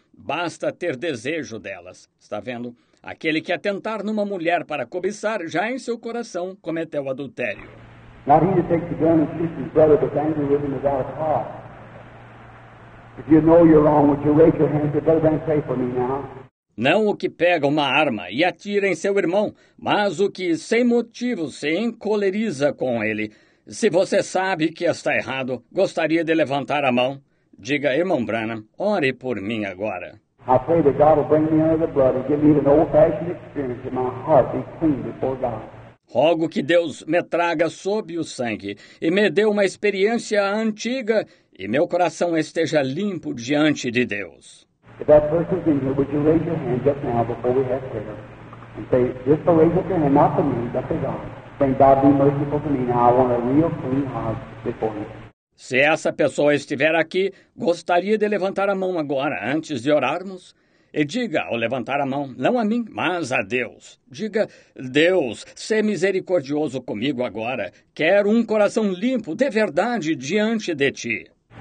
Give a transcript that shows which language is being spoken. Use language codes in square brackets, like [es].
[pt] Basta ter desejo delas. Está vendo? Aquele que atentar numa mulher para cobiçar, já em seu coração cometeu adultério. [en] Not he that takes the gun and shoots his brother, but angry with him without a cause. If you know you're wrong, would you raise your hand? You better than pray for me now. [pt] Não o que pega uma arma e atira em seu irmão, mas o que, sem motivo, se encoleriza com ele. Se você sabe que está errado, gostaria de levantar a mão. Diga, irmão Branham, ore por mim agora. [en] I pray that God will bring me under the blood and give me an old-fashioned experience that my heart be clean before God. [pt] Rogo que Deus me traga sob o sangue e me dê uma experiência antiga e meu coração esteja limpo diante de Deus. [en] If that person is in here, would you raise your hand just now before we have prayer and say, just to raise up your hand, not for me, but for God. Saying, God, be merciful to me now. I want a real clean heart before you. [pt] Se essa pessoa estiver aqui, gostaria de levantar a mão agora, antes de orarmos. E diga, ao levantar a mão, não a mim, mas a Deus. Diga, Deus, sê misericordioso comigo agora. Quero um coração limpo, de verdade, diante de Ti.